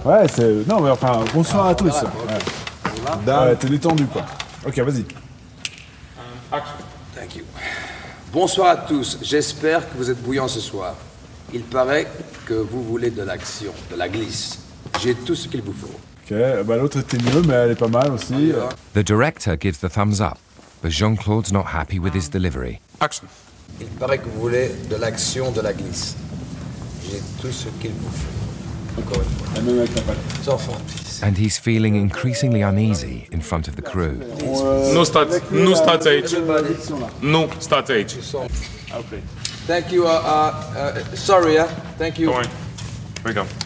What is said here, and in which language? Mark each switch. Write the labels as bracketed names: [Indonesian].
[French] Ouais, c'est... Non, mais enfin, bonsoir à tous. Ouais, okay. Ouais. Ouais, t'es détendu, quoi. OK, vas-y. Action. [English] Thank you. [French] Bonsoir à tous, j'espère que vous êtes bouillants ce soir. Il paraît que vous voulez de l'action, de la glisse. J'ai tout ce qu'il vous faut. OK, bah, l'autre était mieux, mais elle est pas mal aussi. [English] The director gives the thumbs up, but Jean-Claude's not happy with his delivery. [French] Action. Il paraît que vous voulez de l'action, de la glisse. J'ai tout ce qu'il vous faut. Encore une fois. Même avec la patte. Sans fond, [English] please. And he's feeling increasingly uneasy in front of the crew. No start age. No start age. Thank you. Sorry. Thank you. Don't worry. Here we go.